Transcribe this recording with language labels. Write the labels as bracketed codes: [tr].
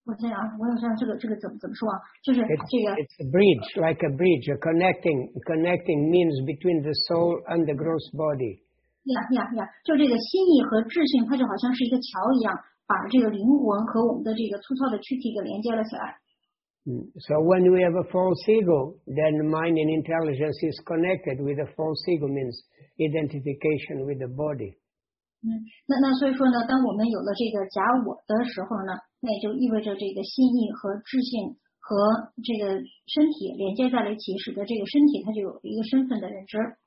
[zh] 嗯，OK，就是我们的心意和智性是使我们的这个，我想这个怎么说啊？就是这个。 [en] It's a bridge, like a bridge, a connecting means between the soul and the gross body. [zh] 呀呀呀！就这个心意和智性，它就好像是一个桥一样，把这个灵魂和我们的这个粗糙的躯体给连接了起来。So [en] when we have a false ego, then mind and intelligence is connected with the false ego, means identification with the body. [zh] 嗯，那所以说呢，当我们有了这个假我的时候呢，那也就意味着这个心意和智性和这个身体连接在了一起，使得这个身体它就有一个身份的认知。